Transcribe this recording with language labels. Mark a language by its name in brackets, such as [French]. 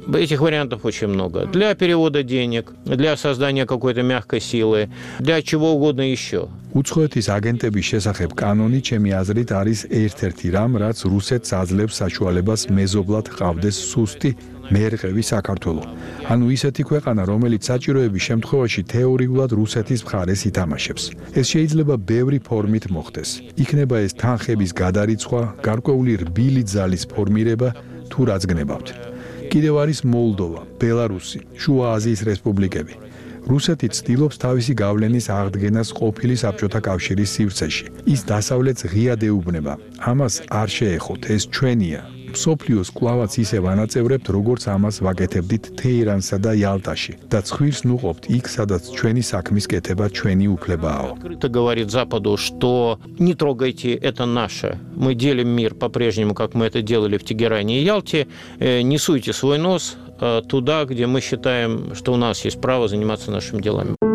[Russian] Этих вариантов очень много. Для перевода денег, для создания какой-то мягкой силы, для чего угодно еще. [Georgian] Უცხოეთის აგენტების შესახებ კანონი, ჩემი აზრით, არის ერთ-ერთი რამ, რაც რუსეთს აძლევს საშუალებას მეზობლად ყავდეს სუსტი მერყევი საქართველო. ანუ ისეთი ქვეყანა, რომელიც საჭიროების შემთხვევაში თეორიულად რუსეთის მხარეს ითამაშებს. ეს შეიძლება ბევრი ფორმით მოხდეს. იქნება ეს თანხების გადარიცხვა, გარკვეული რბილი ძალის ფორმირება, თუ რაც გნებავთ. კიდევ არის მოლდოვა, ბელარუსი, შუა აზიის რესპუბლიკები. რუსეთი ცდილობს თავისი გავლენის აღდგენას ყოფილი საბჭოთა კავშირის სივრცეში. ის დასავლეთს ღიად ეუბნება. ამას არ შეეხოთ, ეს ჩვენია. მსოფლიოს კვლავაც ისე ვანაწევრებთ, როგორც ამას ვაკეთებდით თეირანსა და იალტაში. და ცხვირს ნუყობთ იქ, სადაც ჩვენი საქმის კეთება ჩვენი უფლებაო. [Russian] Открыто говорит Западу, что не трогайте, это наше. Мы делим мир по-прежнему, как мы это делали в Тегеране и Ялте. Не суйте свой нос туда, где мы считаем, что у нас есть право заниматься нашими делами.